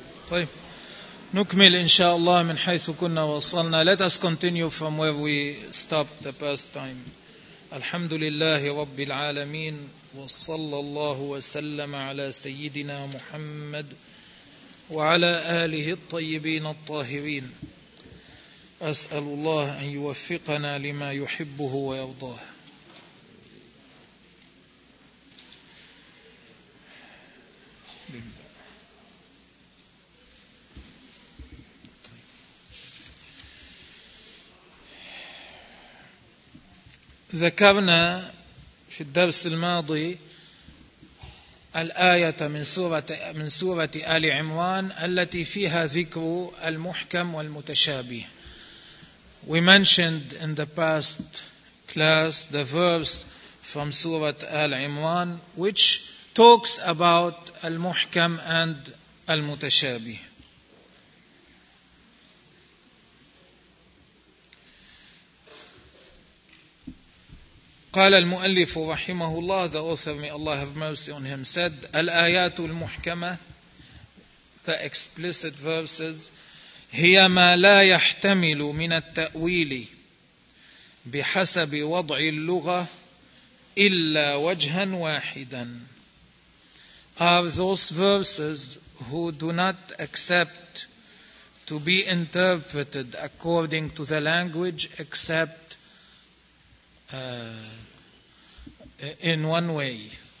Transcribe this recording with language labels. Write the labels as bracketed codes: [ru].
[ar] طيب نكمل إن شاء الله من حيث كنا وصلنا. [en] Let us continue from where we stopped the past time. [ar] الحمد لله رب العالمين وصلى الله وسلم على سيدنا محمد وعلى آله الطيبين الطاهرين. أسأل الله أن يوفقنا لما يحبه ويرضاه. ذكرنا في الدرس الماضي الآية من سورة آل عمران التي فيها ذكر المحكم والمتشابه. [en] We mentioned in the past class the verse from Surah Al-Imran which talks about Al-Muhkam and Al-Mutashabih. [ar] قال المؤلف رحمه الله, [en] the author, may Allah have mercy on him, said [ar] الآيات المحكمة, [en] the explicit verses, [ar] هي ما لا يحتمل من التأويل بحسب وضع اللغة إلا وجها واحدا. [en] Are those verses who do not accept to be interpreted according to the language except in one way.